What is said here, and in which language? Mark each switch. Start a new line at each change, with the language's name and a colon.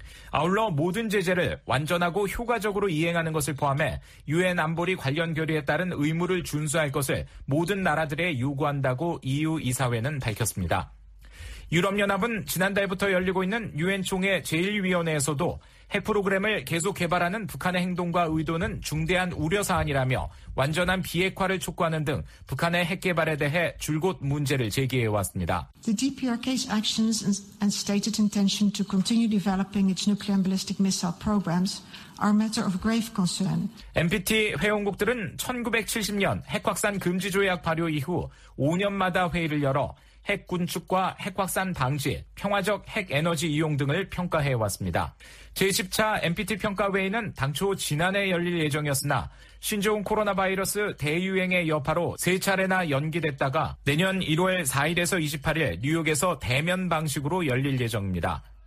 Korean: 아울러 모든 제재를 완전하고 효과적으로 이행하는 것을 포함해 유엔 안보리 관련 결의에 따른 의무를 준수할 것을 모든 나라들에 요구한다고 EU 이사회는 밝혔습니다. 유럽연합은 지난달부터 열리고 있는 유엔총회 제1위원회에서도 핵 프로그램을 계속 개발하는 북한의 행동과 의도는 중대한 우려사안이라며 완전한 비핵화를 촉구하는 등 북한의 핵 개발에 대해 줄곧 문제를 제기해왔습니다.
English: The DPRK's actions and stated intention to continue developing its nuclear and ballistic missile programs are a matter of grave concern.
Korean: NPT 회원국들은 1970년 핵확산 금지조약 발효 이후 5년마다 회의를 열어 핵 군축과 핵 확산 방지, 평화적 핵 에너지 이용 등을 평가해왔습니다. 제10차 NPT 평가회의는 당초 지난해 열릴 예정이었으나 신종 코로나 바이러스 대유행의 여파로 3차례나 연기됐다가 내년 1월 4일에서 28일 뉴욕에서 대면 방식으로 열릴 예정입니다.